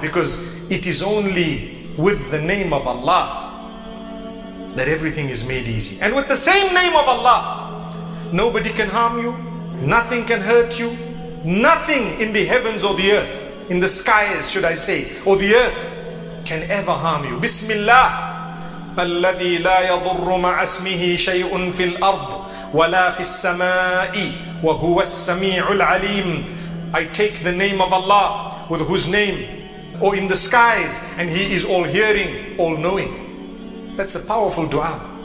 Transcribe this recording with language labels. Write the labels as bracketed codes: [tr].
[en] Because it is only with the name of Allah that everything is made easy. And with the same name of Allah, nobody can harm you, nothing can hurt you, nothing in the heavens or the earth, in the skies, should I say, or the earth, can ever harm you. Bismillah. [ar] الذي لا يضر مع اسمه شيء في الأرض ولا في السماء وهو السميع العليم. [en] I take the name of Allah, with whose name, or in the skies, and He is all hearing, all knowing. That's a powerful dua.